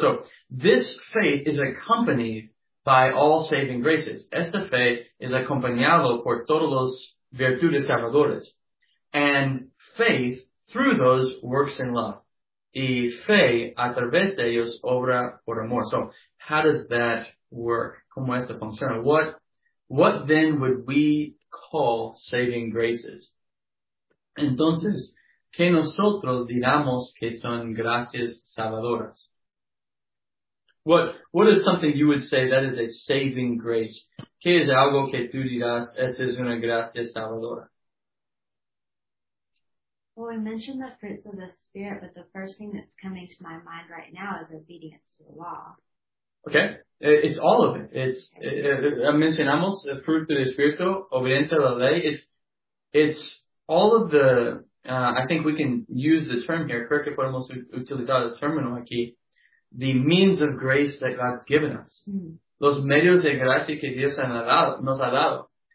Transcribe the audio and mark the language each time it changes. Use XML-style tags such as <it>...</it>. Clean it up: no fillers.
<en>So, this faith is accompanied by all saving graces.</en> <es>Esta fe es acompañado por todos los virtudes salvadoras.</es> <en>And faith through those works in love.</en> <es>Y fe a través de ellos obra por amor.</es> <en>So, how does that work?</en> <es>¿Cómo esto funciona?</es> <en>What then would we call saving graces?</en> <es>Entonces, ¿qué nosotros diramos que son gracias salvadoras?</es> <en>What is something you would say that is a saving grace?</en> <es>¿Qué es algo que tú dirás, esa es una gracia salvadora?</es> <en>Well, we mentioned the fruits of the Spirit, but the first thing that's coming to my mind right now is obedience to the law. Okay, it's all of it. It's okay.</en> <es>Mencionamos el fruto del Espíritu, obediencia a la ley.</es> <en>It's all of the, I think we can use the term here,</en> <es>creo que podemos utilizar el término aquí,</es> <en>the means of grace that God's given us.</en> <es>Los medios de gracia que Dios nos ha dado.</es>